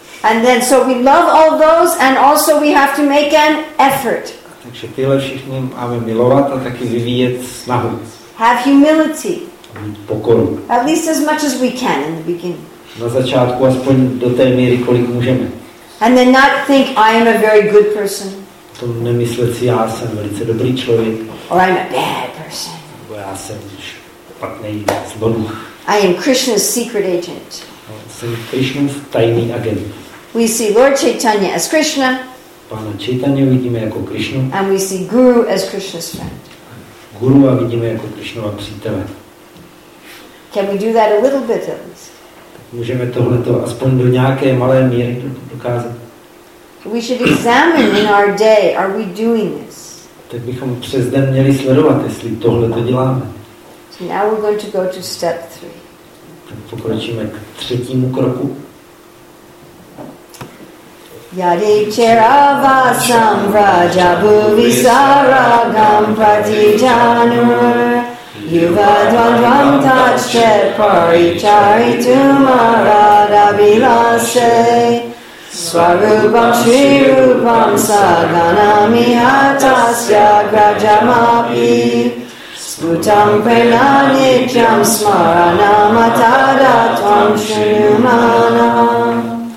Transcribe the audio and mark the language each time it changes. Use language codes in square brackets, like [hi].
[en] And then, so we love all those, and also we have to make an effort. [cs] Takže tyhle všichni máme milovat a taky vyvíjet snahu. [en] Have humility. [cs] Pokoru. [en] At least as much as we can in the beginning. [cs] Na začátku aspoň do té míry, kolik můžeme. [en] And then not think I am a very good person. [cs] To nemyslet si, já jsem velice dobrý člověk. [en] Or I'm a bad person. [cs] Nebo já jsem špatný zloduch. [en] I am Krishna's secret agent. [cs] Jsem Krishna's tajný agent. [en] We see Lord Chaitanya as Krishna. [cs] Pána Chaitanya vidíme jako Krishnu. [en] And we see Guru as Krishna's friend. [cs] Guru a vidíme jako Krishnova přítele. [en] Can we do that a little bit at least? [cs] Tak můžeme tohleto aspoň do nějaké malé míry dokázat. [en] We should examine in our day, are we doing this? [cs] Tak bychom přes den měli sledovat, jestli tohleto děláme. [en] So now we're going to go to step three. [cs] Tak pokročíme k třetímu kroku. [sa] Yadi charavasam raja bhuvi saragam pratijanur yuva dvandvam tachet parichari tumarada vilase swarupam shirupam saganami hatasya grajamapi sputam prenanityam smaranam atadatvam shriyumana.